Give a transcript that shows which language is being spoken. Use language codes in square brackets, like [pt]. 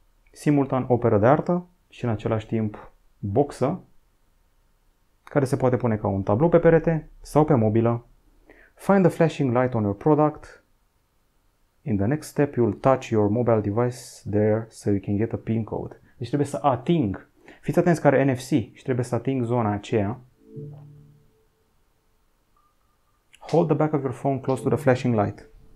[ro] Simultan operă de artă și în același timp boxă, care se poate pune ca un tablou pe perete sau pe mobilă. [en] Find the flashing light on your product. In the next step, you'll touch your mobile device there so you can get a PIN code. [ro] Deci trebuie să ating. Fiți atenți că are NFC și trebuie să ating zona aceea. [en] Hold the back of your phone close to the flashing light.